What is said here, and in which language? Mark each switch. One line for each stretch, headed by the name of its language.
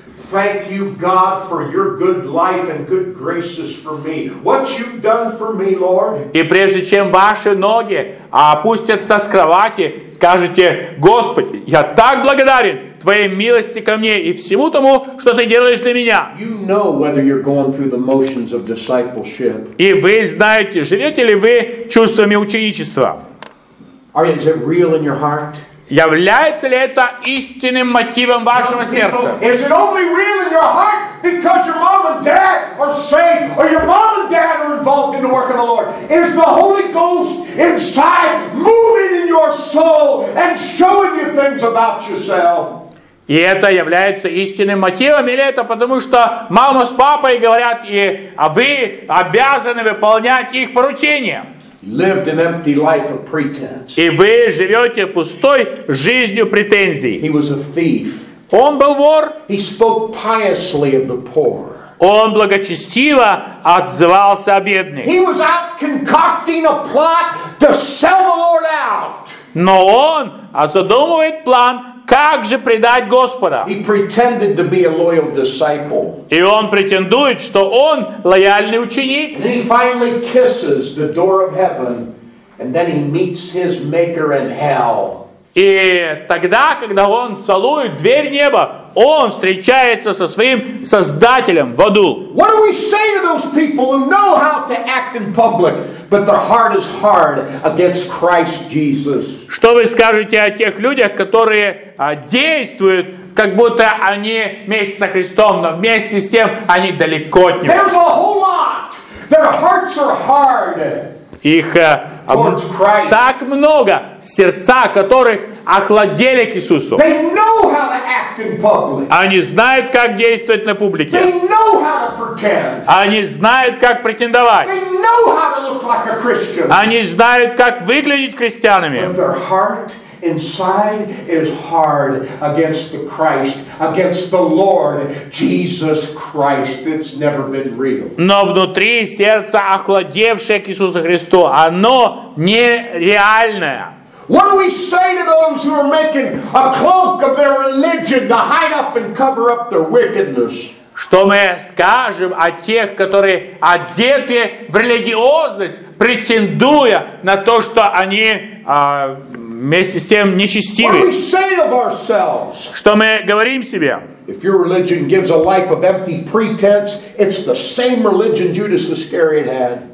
English: Thank you, God, for your good life and good graces for me. What you've done for me, Lord?
Russian: И прежде чем ваши ноги опустятся с кровати, скажите: Господь, я так благодарен твоей милости ко мне и всему тому, что ты делаешь для меня.
English: You know whether you're going through the motions of discipleship.
Russian: И вы знаете, живете ли вы чувствами ученичества?
English: Are you real in your heart?
Russian: Является ли это истинным мотивом вашего сердца?
English: Is it only real in your heart because your mom and dad are saved, or your mom and dad are involved in the work of the Lord? Is the Holy Ghost inside moving in your soul and showing you things about yourself?
Russian: И это является истинным мотивом, или это потому, что мама с папой говорят, и вы обязаны выполнять их поручения?
English: Lived an empty life of pretense.
Russian: И вы живете пустой жизнью претензий.
English: He was a thief.
Russian: Он был вор.
English: He spoke piously of the poor.
Russian: Он благочестиво отзывался о бедных.
English: He was out concocting a plot to sell the Lord out.
Russian: Но он задумывает план, как же предать Господа.
English: He pretended to be a loyal disciple.
Russian: И он претендует, что он лояльный ученик.
English: And he finally kisses the door of heaven, and then he meets his maker in hell.
Russian: И тогда, когда он целует дверь неба, он встречается со своим Создателем в аду.
English: What do we say to those people who know how to act in public, but their heart is hard against Christ Jesus?
Russian: Что вы скажете о тех людях, которые действуют, как будто они вместе со Христом, но вместе с тем они далеко от Него?
English: There's a whole lot. Their hearts are hard.
Russian: Их так много, сердца которых охладели к Иисусу.
English: They know how to act in public.
Russian: Они знают, как действовать на публике.
English: They know how to pretend.
Russian: Они знают, как претендовать.
English: They know how to look like a Christian.
Russian: Они знают, как выглядеть христианами.
English: But their heart inside is hard against the Christ, against the Lord Jesus Christ. It's never been real.
Russian: Но внутри сердце, охладевшее к Иисусу Христу, оно нереальное.
English: What do we say to those who are making a cloak of their religion to hide up and cover up their wickedness?
Russian: Что мы скажем о тех, которые одеты в религиозность, претендуя на то, что они вместе с тем нечестивы?
English: What do we say of ourselves?
Russian: Что мы говорим себе?
English: If your religion gives a life of empty pretense, it's the same religion Judas Iscariot had.